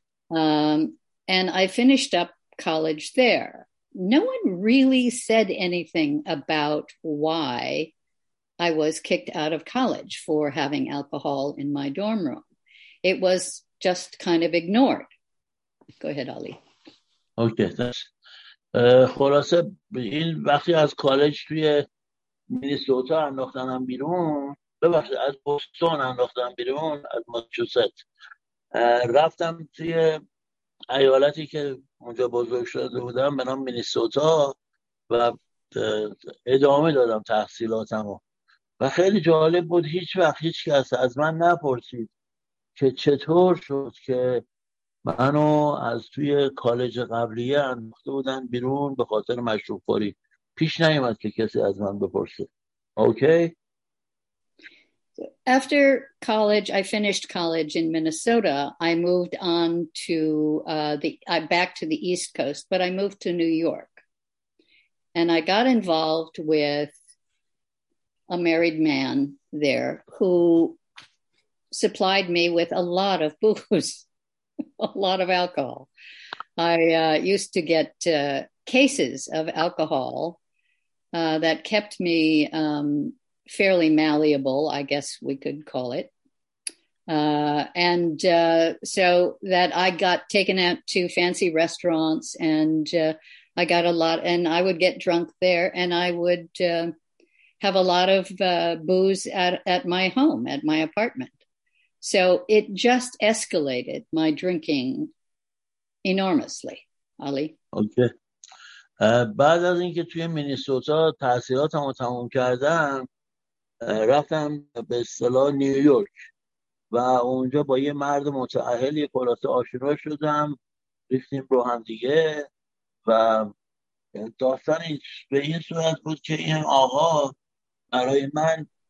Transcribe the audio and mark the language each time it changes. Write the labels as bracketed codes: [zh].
[en] And I finished up college there. No one really said anything about why I was kicked out of college for having alcohol in my dorm room. It was just kind of ignored. Go ahead, Ali. [fa] اوکی داشت. خلاصه این وقتی از کالج توی مینیسوتا انداختنم بیرون، ببخشید از بوستون انداختنم بیرون، از ماساچوست رفتم توی ایالتی که اونجا بزرگ شده بودم به نام مینیسوتا و ادامه دادم تحصیلاتمو. و خیلی جالب بود، هیچ وقت هیچ کس از من نپرسید که چطور شد که منو از توی کالج قبلیه انداخته بودن بیرون به خاطر مشروب خوری. پیش نیومد که کسی از من بپرسه. [en] Okay? After college, I finished college in Minnesota. I moved on to back to the East Coast, but I moved to New York. And I got involved with a married man there who supplied me with a lot of booze. A lot of alcohol. I used to get cases of alcohol that kept me fairly malleable, I guess we could call it. And so that I got taken out to fancy restaurants and I got a lot, and I would get drunk there and I would have a lot of booze at my home, at my apartment. So it just escalated my drinking enormously. Ali. Okay. [fa] بعد از اینکه توی مینیسوتا تحصیلاتمو تموم کردم، رفتم به اصطلاح نیویورک و اونجا با یه مرد متأهل یه خلاصه آشنا شدم، ریختیم رو هم دیگه و داستان به این صورت بود که این آقا برای من